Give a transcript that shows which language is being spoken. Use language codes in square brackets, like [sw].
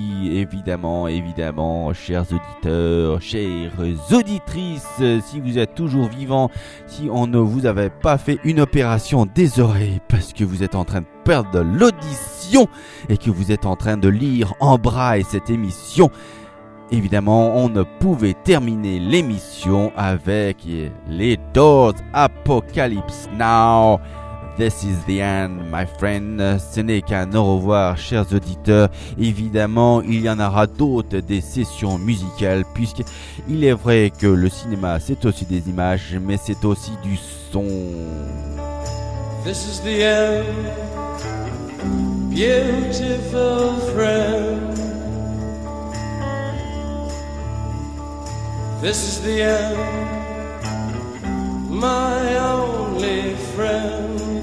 [fr] Évidemment, évidemment, chers auditeurs, chères auditrices, si vous êtes toujours vivants, si on ne vous avait pas fait une opération des oreilles parce que vous êtes en train de perdre l'audition et que vous êtes en train de lire en braille cette émission, évidemment, on ne pouvait terminer l'émission avec les Doors Apocalypse Now. [en] This is the end, my friend. [fr] Ce n'est qu'un au revoir, chers auditeurs. Évidemment, il y en aura d'autres des sessions musicales, puisqu'il est vrai que le cinéma, c'est aussi des images, mais c'est aussi du son. [en] This is the end, beautiful friend. This is the end, my only friend.